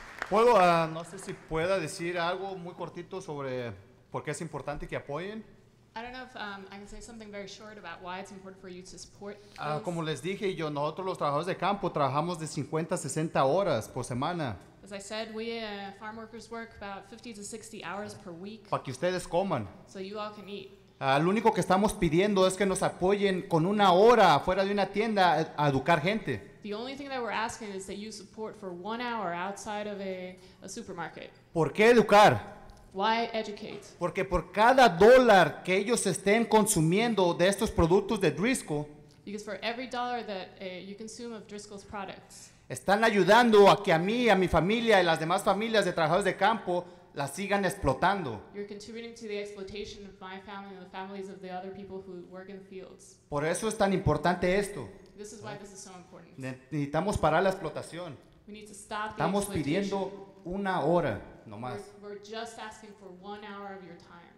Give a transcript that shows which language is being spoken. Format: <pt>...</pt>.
<es>Puedo, no sé si pueda decir algo muy cortito sobre por qué es importante que apoyen.</es> <en>I don't know if I can say something very short about why it's important for you to support.</en> <es>Como les dije, yo nosotros los trabajadores de campo trabajamos de 50 a 60 horas por semana.</es> <en>As I said, we farm workers work about 50 to 60 hours per week.</en> <es>Para que ustedes coman.</es> <en>So you all can eat.</en> <es>Lo único que estamos pidiendo es que nos apoyen con una hora fuera de una tienda a educar gente.</es> <en>The only thing that we're asking is that you support for 1 hour outside of a supermarket.</en> <es>¿Por qué educar?</es> <en>Why educate?</en> <es>Porque por cada dólar que ellos estén consumiendo de estos productos de Driscoll.</es> <en>Because for every dollar that you consume of Driscoll's products.</en> <es>Están ayudando a que a mí, a mi familia y las demás familias de trabajadores de campo la sigan explotando.</es> <en>You're contributing to the exploitation of my family and the families of the other people who work in the fields.</en> <es>Por eso es tan importante esto.</es> <en>This is why this is so important.</en> <es>Necesitamos parar la explotación.</es> <en>We need to stop the</en> <es>Estamos pidiendo una hora, nomás.</es> <en>We're just asking for 1 hour of your time.</en>